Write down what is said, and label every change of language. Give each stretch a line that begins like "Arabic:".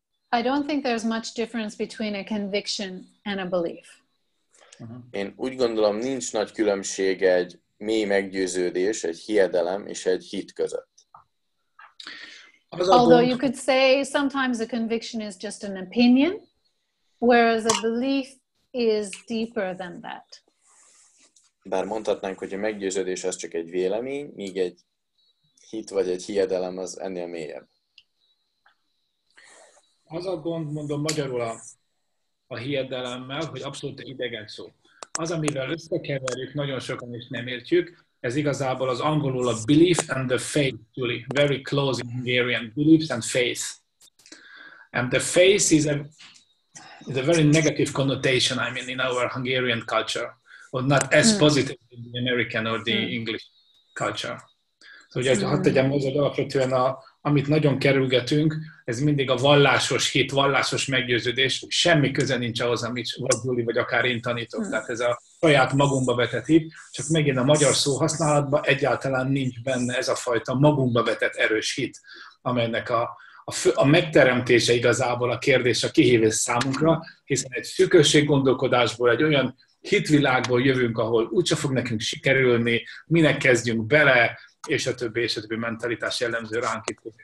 English: I don't think there's much difference between a conviction and a belief.
Hungarian: Én úgy gondolom, nincs nagy különbség egy mély meggyőződés, egy hiedelem és egy hit között.
English: Although you could say sometimes a conviction is just an opinion, whereas a belief is deeper than that.
Hungarian: Bár mondhatnánk, hogy a meggyőződés az csak egy vélemény, míg egy hit vagy egy hiedelem az ennél mélyebb. Az a gond, mondom magyarul a hiedelemmel, hogy abszolút idegen szó. Az, amivel összekeverjük, nagyon sokan is nem értjük, ez igazából az angolul a
English: belief and the faith, Julie, very close in Hungarian, beliefs and faith. And the faith is a very negative connotation, I mean, in our Hungarian culture, or not as positive in the American or the English culture.
Hungarian: So, ugye, hadd tegyem hozzá, alapvetően amit nagyon kerülgetünk, ez mindig a vallásos hit, vallásos meggyőződés, semmi köze nincs ahhoz, amit vagy Juli, vagy akár én tanítok. Tehát ez a saját magunkba vetett hit, csak megint a magyar szó használatban egyáltalán nincs benne ez a fajta magunkba vetett erős hit, amelynek a megteremtése igazából a kérdés, a kihívás számunkra, hiszen egy szűkösséggondolkodásból, egy olyan hitvilágból jövünk, ahol úgyse fog nekünk sikerülni, minek kezdjünk bele, és a többi mentalitás jellemző ránk itt